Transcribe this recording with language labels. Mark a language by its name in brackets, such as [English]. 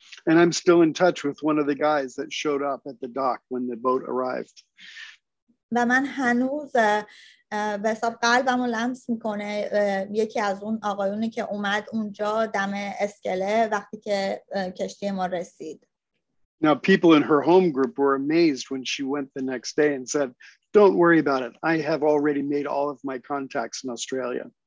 [English] And I'm still in touch with one of the guys that showed up at the dock when the boat arrived. [Persian] و من هنوز به حساب قلبمو لمس میکنه یکی از اون آقایونی که اومد اونجا دم اسکله وقتی که کشتی ما رسید. [English] Now people in her home group were amazed when she went the next day and said, "Don't worry about it. I have already made all of my contacts in Australia."